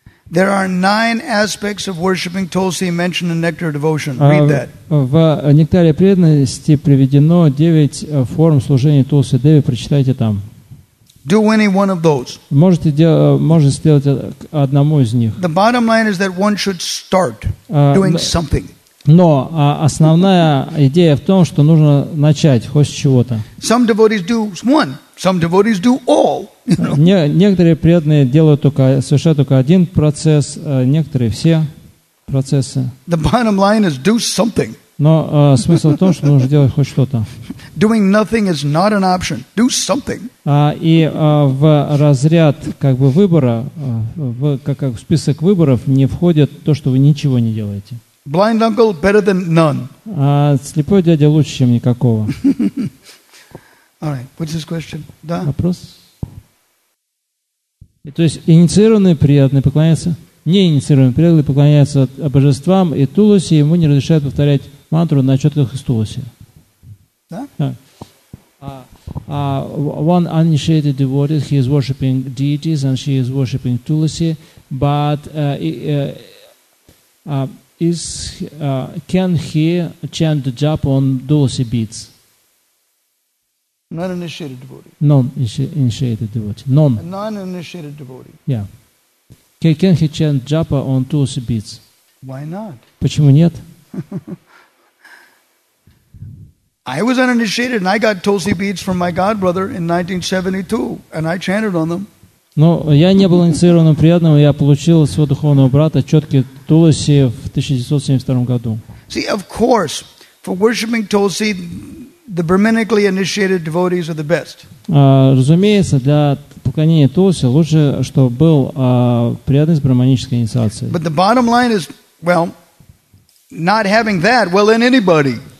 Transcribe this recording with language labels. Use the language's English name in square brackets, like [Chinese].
[English] There are 9 aspects of worshiping Tulsi mentioned in Nectar Devotion. Read that. [Russian] В Нектаре преданности приведено 9 форм служения Тулси Деви. Прочитайте там. [English] Do any one of those. [Russian] Можете сделать одному из них. [English] The bottom line is that one should start doing something. [Russian] Но основная идея в том, что нужно начать хоть с чего-то. [English] Some devotees do one. Some devotees do all. [Russian] Некоторые преданные делают только совершают только один процесс, некоторые все процессы. [English] The bottom line is do something. [Russian] Но смысл в том, что нужно делать хоть что-то. [English] Doing nothing is not an option. Do something. [Russian] В разряд как бы выбора, в список выборов не входит то, что вы ничего не делаете. [English] Blind uncle better than none. [Russian] Слепой дядя лучше, чем никакого. [English] All right. What's his question? [Russian] Да. Вопрос. То есть инициированные преданные поклоняются, не инициированные преданные поклоняются божествам и Тулси, ему не разрешают повторять мантру на четках из Тулси. Да? [English] One uninitiated devotee, he is worshipping deities and she is worshipping Tulsi, but can he chant the japa on Tulsi beads? Non-initiated devotee. Non-initiated devotee. Non-initiated devotee. Yeah. Can he chant japa on tulsi beads? Why not? [Russian] Почему нет? [English] I was uninitiated and I got tulsi beads from my god brother in 1972 and I chanted on them. [Russian] Но я не был инициированным преданным, я получил от своего духовного брата четкие тулоси в 1972 году. [English] See, of course, for worshiping tulsi, the brahminically initiated devotees are the best. [Russian] Разумеется, для поклонения тулоси лучше, чтобы был преданный с брахманической инициацией. [English] But the bottom line is, well, not having that, well, then anybody.